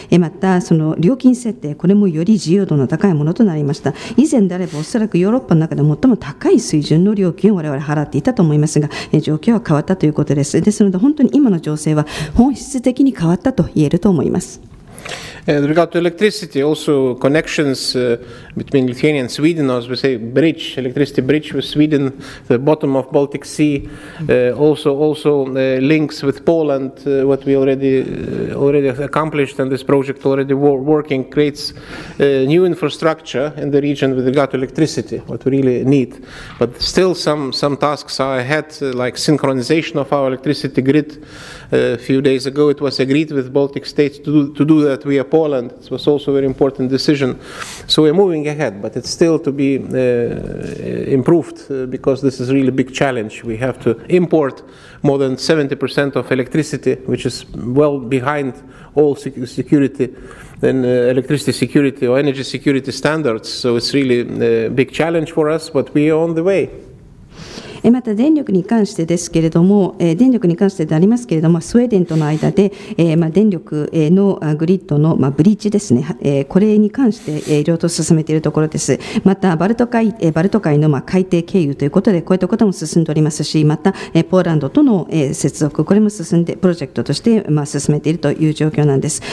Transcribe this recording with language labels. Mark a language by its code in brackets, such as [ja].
[ja] またその料金設定、これもより自由度の高いものとなりました。以前であればおそらくヨーロッパの中で最も高い水準の料金を我々払っていたと思いますが、状況は変わったということです。ですので、本当に今の情勢は本質的に変わったと言えると思います。 [en] Regarding electricity, also connections between Lithuania and Sweden, as we say, bridge, electricity bridge with Sweden, the bottom of Baltic Sea, also links with Poland, what we already accomplished, and this project already working creates new infrastructure in the region with regard to electricity, what we really need. But still some tasks are ahead, like synchronization of our electricity grid. A few days ago it was agreed with Baltic states to do that via Poland. It was also a very important decision. So we're moving ahead, but it's still to be improved because this is a really big challenge. We have to import more than 70% of electricity, which is well behind all security and electricity security or energy security standards. So it's really a big challenge for us, but we are on the way. [ja] また電力に関してですけれども、電力に関してでありますけれども、スウェーデンとの間で電力のグリッドのブリッジですね、これに関していろいろと進めているところです。またバルト海の海底経由ということで、こういったことも進んでおりますし、またポーランドとの接続、これも進んでプロジェクトとして進めているという状況なんです。